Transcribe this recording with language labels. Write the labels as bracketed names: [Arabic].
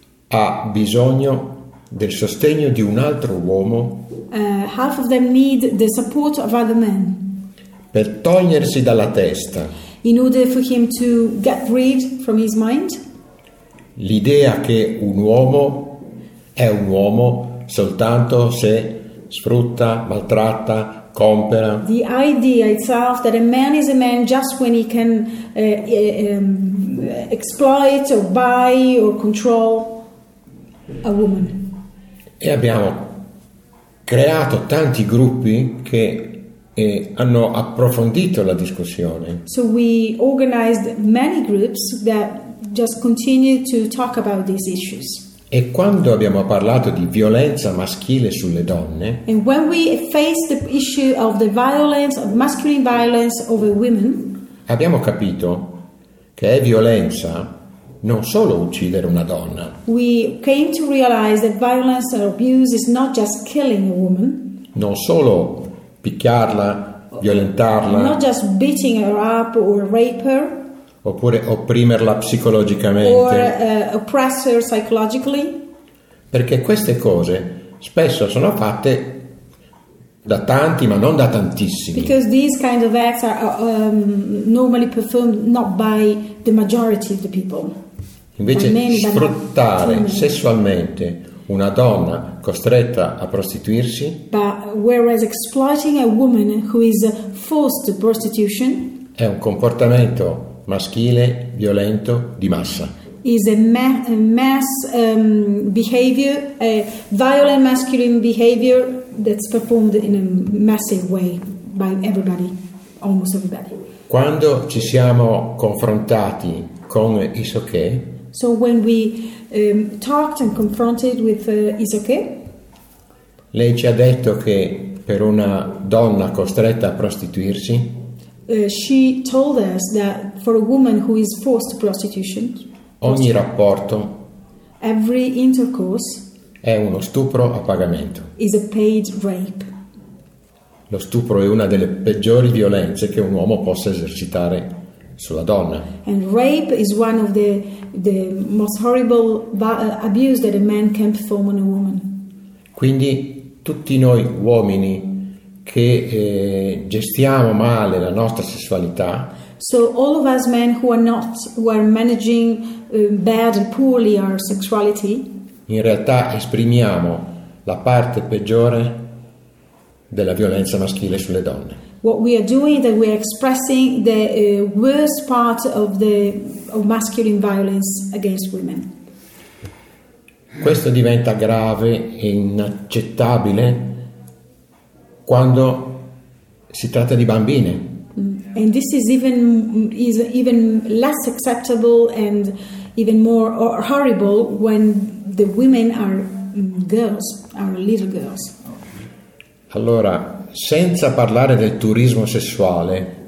[Italian] ha bisogno del sostegno di un altro uomo. [English] Half of them need the support of other men. [Italian] Per togliersi dalla testa. [English] In order for him to get rid from his mind. [Italian] L'idea che un uomo è un uomo soltanto se sfrutta, maltratta, compra. [English] The idea itself that a man is a man just when he can exploit or buy or control a woman. [Italian] E abbiamo creato tanti gruppi che hanno approfondito la discussione. [English] So we organized many groups that just continue to talk about these issues. [Italian] E quando abbiamo parlato di violenza maschile sulle donne, [English] and when we faced the issue of the violence, of masculine violence over women, [Italian] abbiamo capito che è violenza non solo uccidere una donna. [English] We came to realize that violence or abuse is not just killing a woman. [Italian] Non solo picchiarla, violentarla. [English] Not just beating her up or rape her. [Italian] Oppure opprimerla psicologicamente. [English] Or oppress her psychologically. [Italian] Perché queste cose spesso sono fatte da tanti, ma non da tantissimi. [English] Because these kind of acts are normally performed not by the majority of the people. [Italian] Invece sfruttare sessualmente una donna costretta a prostituirsi. [English] But whereas exploiting a woman who is forced to prostitution [Italian] è un comportamento maschile, violento, di massa. [English] Is a mass behavior, a violent masculine behavior that's performed in a massive way by everybody, almost everybody. [Italian] Quando ci siamo confrontati con Isoké, [English] so when we talked and confronted with Isoké, [Italian] lei ci ha detto che per una donna costretta a prostituirsi, [English] She told us that for a woman who is forced to prostitution, [Italian] ogni rapporto, [English] every intercourse, [Italian] è uno stupro a pagamento. [English] Is a paid rape. [Italian] Lo stupro è una delle peggiori violenze che un uomo possa esercitare sulla donna. [English] And rape is one of the most horrible abuse that a man can perform on a woman. [Italian] Quindi tutti noi uomini che gestiamo male la nostra sessualità. [English] So all of us men who are managing bad and poorly our sexuality. [Italian] In realtà esprimiamo la parte peggiore della violenza maschile sulle donne. [English] What we are doing is that we are expressing the worst part of masculine violence against women. [Italian] Questo diventa grave e inaccettabile quando si tratta di bambine. [English] And this is even less acceptable and even more horrible when the women are girls, are little girls. [Italian] Allora, senza parlare del turismo sessuale,